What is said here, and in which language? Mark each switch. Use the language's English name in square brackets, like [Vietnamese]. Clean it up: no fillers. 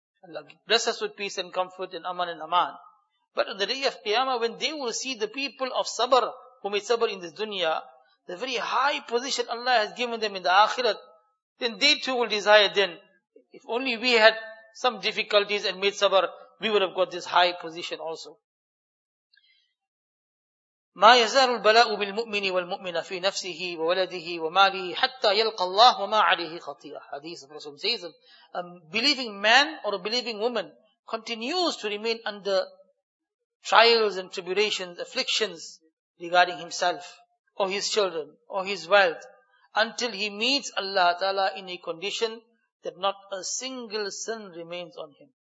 [English] Allah bless us with peace and comfort and aman and aman. But on the day of Qiyamah, when they will see the people of sabr who made sabr in this dunya, the very high position Allah has given them in the akhirat, then they too will desire then, if only we had some difficulties and made sabr, we would have got this high position also. [Arabic] ما يزال البلاء بالمؤمن والمؤمنة في نفسه وولده وماله حتى يلقى الله وما عليه خطيئة. [English] Hadith of Rasul says, a believing man or a believing woman continues to remain under trials and tribulations, afflictions regarding himself or his children or his wealth until he meets Allah Ta'ala in a condition that not a single sin remains on him.